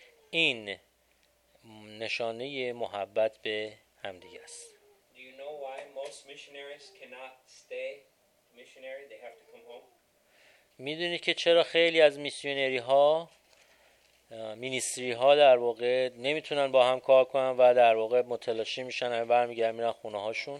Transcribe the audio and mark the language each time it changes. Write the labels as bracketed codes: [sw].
[fa] این نشانه محبت به همدیگه است. [en] Do you know why most missionaries cannot stay missionary? They have to come home. [fa] میدونی که چرا خیلی از میسیونری ها مینیستری ها در واقع نمیتونن با هم کار کنن و در واقع متلاشی میشن و برمیگردن میرن خونه هاشون؟